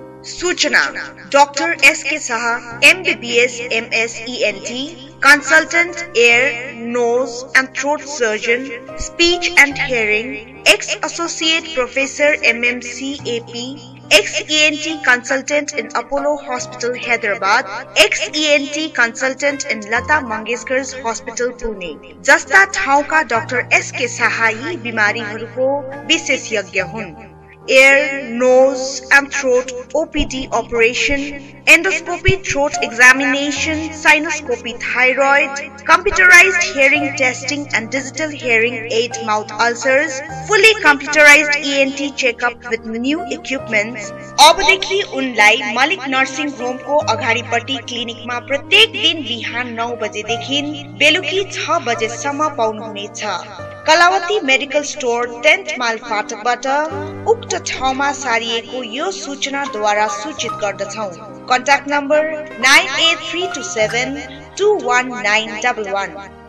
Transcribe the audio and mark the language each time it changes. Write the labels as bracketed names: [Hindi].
[English] सूचना doctor S K Shah MBBS MS ENT consultant ear nose and throat surgeon speech and hearing ex associate professor MMCAP Ex-ENT Consultant in Apollo Hospital, Hyderabad. Ex-ENT Consultant in Lata Mangeshkar's Hospital, Pune. [Nepali] Jasta thauka Dr. S.K. Sahai bimari haruko visheshyagya hun. [English] Air, nose and throat OPD operation, endoscopy throat examination, sinuscopy thyroid, computerized hearing testing and digital hearing aid mouth ulcers, fully computerized ENT checkup with new equipments. [Nepali] अबदेखि उनलाई Malik nursing होमको अगाडिपट्टि क्लिनिकमा प्रत्येक दिन बिहान 9 बजेदेखि बेलुकी 6 बजेसम्म पाउनुहुनेछ Kalavati medical store 10th mile फाटकबाट उक्त ठाउँमा सारिएको यो सूचनाद्वारा सूचित गर्दछौ कन्ट्याक्ट नम्बर 9832721911